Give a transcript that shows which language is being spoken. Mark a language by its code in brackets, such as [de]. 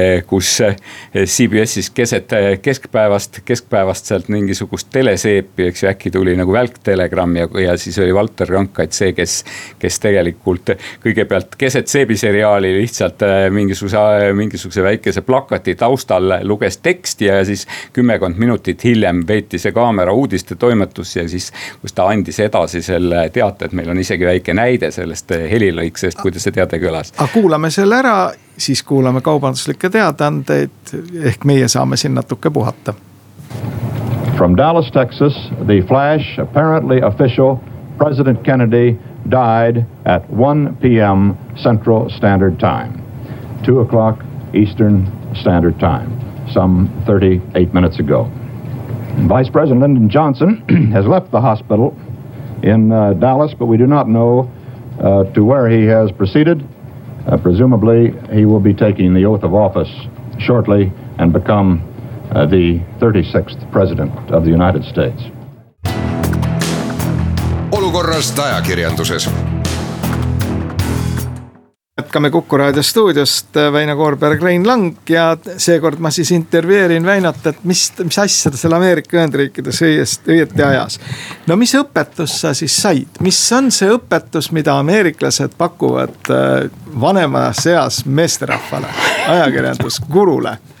[et] kus CBS-is keskpäevast sealt mingisugust teleseepi, eks ju äkki tuli nagu välktelegramm ja siis oli Walter Cronkite see, kes tegelikult kõigepealt keset seebiseriaali lihtsalt mingisuguse väikese plakati taustal luges teksti ja siis 10 minutit hiljem veeti see kaamera uudiste toimetus ja siis kus ta andis edasi selle teate, et meil on isegi väike näide sellest helilõiksest, kuidas see teate kõlas. Aga kuulame selle ära. Siis kuulame kaubanduslikke teadandeid, ehk meie saame siin natuke puhata. [en] From Dallas, Texas, the flash, apparently official, President Kennedy died at 1 p.m. Central Standard Time. 2 o'clock Eastern Standard Time, some 38 minutes ago. Vice President Lyndon Johnson has left the hospital in Dallas, but we do not know to where he has proceeded. Presumably, he will be taking the oath of office shortly and become the 36th president of the United States. [et] Olukorrast ajakirjanduses. jätkame Kuku Raadio stuudiost Väino Koorberg, Rein Lang, ja seekord ma siis intervjueerin Väinot, et mis asja ta seal Ameerika Ühendriikides õieti ajas. No mis õpetus sa siis said? Mis on see õpetus, mida ameeriklased pakuvad vanema seas meesterahvale, ajakirjandus gurule?